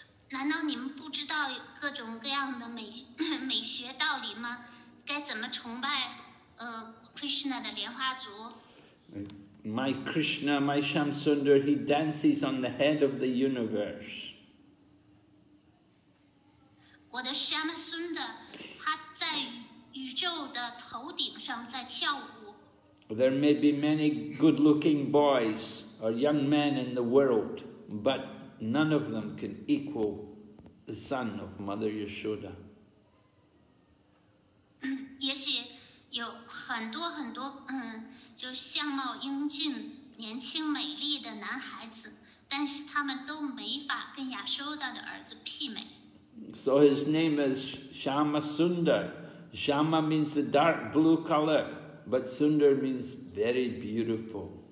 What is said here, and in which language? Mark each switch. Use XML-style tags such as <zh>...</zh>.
<zh>难道你们不知道各种各样的美学道理吗？该怎么崇拜Krishna 的莲花足？</zh> <en>My Krishna, my Shamsundar, he dances on the head of the universe.</en> <zh>我的 Shamsundar。在宇宙的头顶上在跳舞。</zh> <en>There may be many good-looking boys or young men in the world, but none of them can equal the son of Mother Yashoda.</en> <zh>也许有很多很多，就相貌英俊、年轻美丽的男孩子，但是他们都没法跟亚修达的儿子媲美。</zh> <en>So his name is Shama Sundar. Shama means the dark blue color, but Sundar means very beautiful.</en>